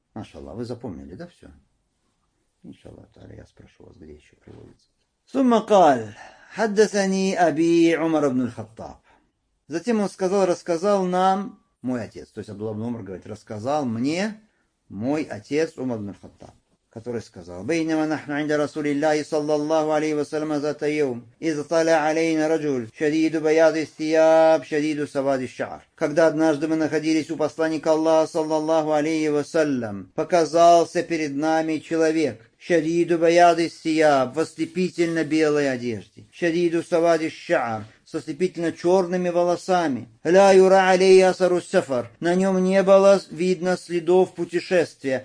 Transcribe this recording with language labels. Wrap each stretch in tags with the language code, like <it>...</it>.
<ru>Машаллах, вы запомнили, да, все? Иншаллах тааля, я спрошу вас, где еще приводится.</ru> <ar>Сумма каль, хаддасани аби Умар ибн Хаттаб.</ar> <ru>Затем он сказал, рассказал нам мой отец. То есть Абдулла ибн Умар говорит, рассказал мне мой отец Умар ибн Хаттаб. который сказал:</ru> <ar>بينما نحن عند رسول الله صلى الله عليه وسلم ذات يوم إذ طلع علينا رجل شديد بياض الثياب شديد سواد الشعر.</ar> <ru>Когда однажды мы находились у посланника Аллаха صلى الله عليه وسلم, показался перед нами человек</ru> <ar>شديدو بياض الثياب</ar> <ru>в ослепительно белой одежде,</ru> <ar>شديدو سواد الشعر</ar> <ru>с ослепительно черными волосами.</ru> <ar>لا يرى عليه أثر السفر,</ar> <ru>на нем не было видно следов путешествия.</ru>